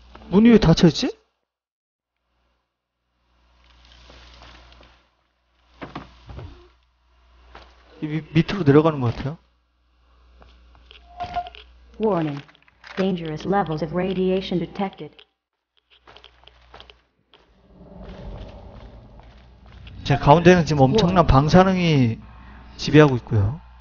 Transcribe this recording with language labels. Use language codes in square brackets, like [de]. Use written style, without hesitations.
[ko] 문이 왜 닫혀있지? 밑으로 내려가는 것 같아요. [en] Warning. Dangerous levels of radiation detected. [ko] 제 가운데는 지금 엄청난 방사능이 지배하고 있고요.